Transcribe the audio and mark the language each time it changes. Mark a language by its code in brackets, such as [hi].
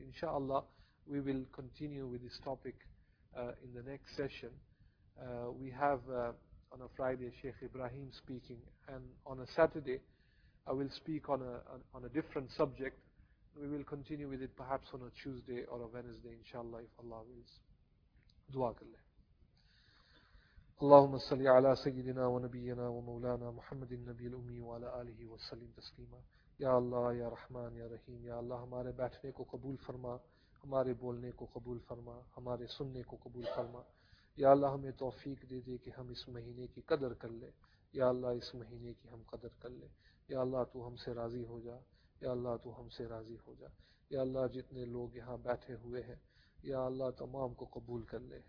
[en] Inshallah, we will continue with this topic in the next session. We have on a Friday Sheikh Ibrahim speaking, and on a Saturday I will speak on a different subject. We will continue with it perhaps on a Tuesday or a Wednesday, inshallah, if Allah wills. [ur] دعا کر لیں. [ar] اللهم صل على سيدنا ونبينا ومولانا محمد النبي الأمي وعلى آله وسلم تسليما. يا الله يا رحمن يا رحيم. [ur] يا الله ہمارے بیٹھنے کو قبول فرما, ہمارے بولنے کو قبول فرما, ہمارے سننے کو قبول فرما. یا اللہ ہمیں توفیق دے دے کہ ہم اس مہینے کی قدر کر لیں. یا اللہ اس مہینے کی ہم قدر کر لیں. یا اللہ تو ہم سے راضی ہو جا. یا اللہ تو ہم سے راضی ہو جا. یا اللہ جتنے لوگ یہاں بیٹھے ہوئے ہیں, یا اللہ تمام کو قبول کر لے.